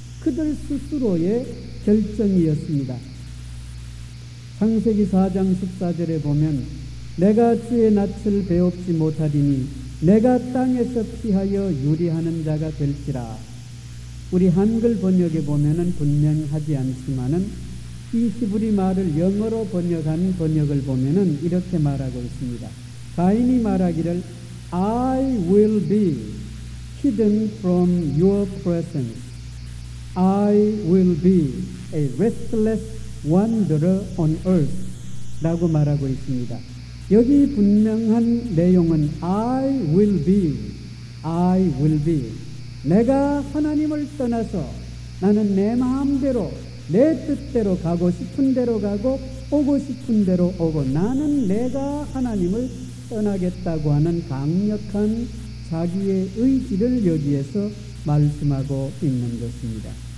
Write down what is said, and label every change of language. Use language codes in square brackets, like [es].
[ko] 그들 스스로의 결정이었습니다. 창세기 4장 14절에 보면 내가 주의 낯을 배웁지 못하리니 내가 땅에서 피하여 유리하는 자가 될지라. 우리 한글 번역에 보면은 분명하지 않지만은 이 히브리 말을 영어로 번역한 번역을 보면은 이렇게 말하고 있습니다. 가인이 말하기를 [en] I will be hidden from your presence. I will be a restless wanderer on earth [ko] 라고 말하고 있습니다. 여기 분명한 내용은 [en] I will be, I will be. [ko] 내가 하나님을 떠나서 나는 내 마음대로 내 뜻대로 가고 싶은 대로 가고 오고 싶은 대로 오고 나는 내가 하나님을 떠나겠다고 하는 강력한 자기의 의지를 여기에서 말씀하고 있는 것입니다.